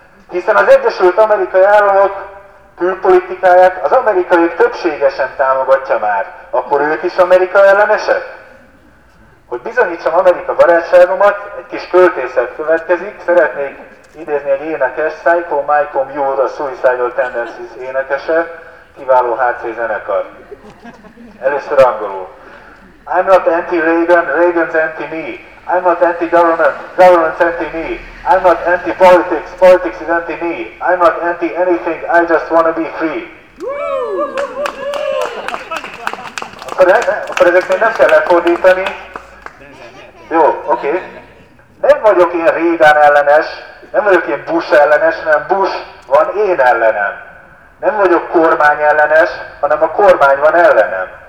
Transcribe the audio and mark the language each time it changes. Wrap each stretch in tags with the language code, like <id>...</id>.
<hu>Hiszen az Egyesült Amerikai Államok külpolitikáját az amerikaiak többségesen támogatja már, akkor ők is Amerika ellenesek? Hogy bizonyítsam Amerika barátságomat, egy kis költészet következik, szeretnék idézni egy énekes, Psycho Michael Muir, a Suicidal Tendencies énekese, kiváló HC zenekar. Először angolul.</hu> <en>I'm not anti-Reagan, Reagan's anti-me. I'm not anti-government, government's anti-me. I'm not anti-politics, politics is anti-me. I'm not anti-anything, I just wanna be free.</en> <hu>Akkor ezeknél nem kell lefordítani. Jó, oké. Nem vagyok én Reagan ellenes, nem vagyok én Bush ellenes, hanem Bush van én ellenem. Nem vagyok kormány ellenes, hanem a kormány van ellenem.</hu>